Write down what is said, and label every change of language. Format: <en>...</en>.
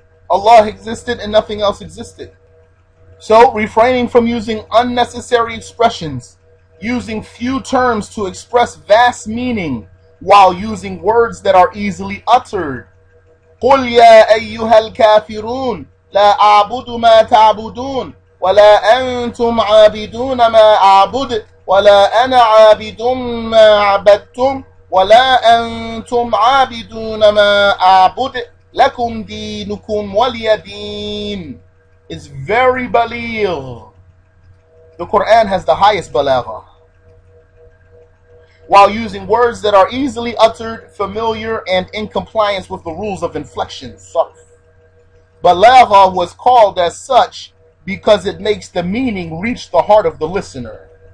<en>Allah existed and nothing else existed. So refraining from using unnecessary expressions, using few terms to express vast meaning, while using words that are easily uttered.</en> <ar>قُلْ يَا أَيُّهَا الْكَافِرُونَ لا أعبد ما تعبدون ولا أنتم عابدون ما أعبد ولا أنا عابد ما عبدتم ولا أنتم عابدون ما أعبد لكم دينكم ولي دين.</ar> <en>It's very baligh. The Quran has the highest balagha. While using words that are easily uttered, familiar, and in compliance with the rules of inflection. Sarf. Balagha was called as such because it makes the meaning reach the heart of the listener.</en>